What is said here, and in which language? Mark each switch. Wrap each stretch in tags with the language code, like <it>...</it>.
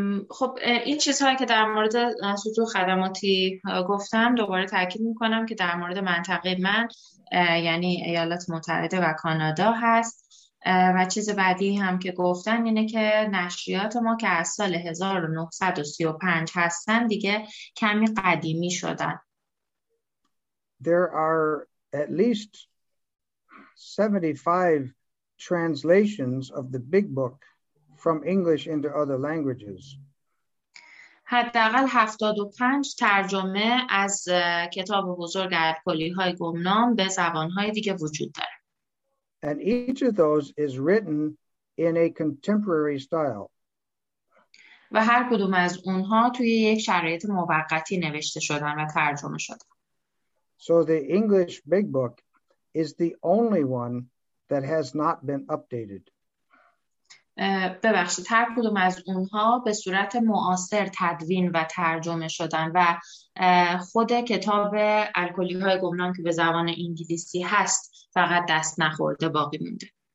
<fa>خب این چیزهایی که در مورد سطوح خدماتی گفتم دوباره تاکید میکنم که در مورد منطقه من یعنی ایالات متحده و کانادا هست و چیز بعدی هم که گفتن اینه که نشریات ما که از سال 1935 هستن دیگه کمی قدیمی شدن.</fa> <en>There are at least 75 translations of the big book from English into other languages.</en> <fa>حداقل 75 ترجمه از کتاب بزرگ الکلی‌های گمنام به زبان‌های دیگه وجود داره.</fa> <en>And each of those is written in a contemporary style.</en> <fa>و هر کدوم از اونها توی یک شرایط موقتی نوشته شدن و ترجمه شدن.</fa> <en>So the English Big Book is the only one that has not been updated.</en> <fa>ببخشید هر کدوم از اونها به صورت معاصر تدوین و ترجمه شدن و خود کتاب الکلی‌های گمنام که به زبان انگلیسی هست فقط دست نخورده باقی مونده.</fa>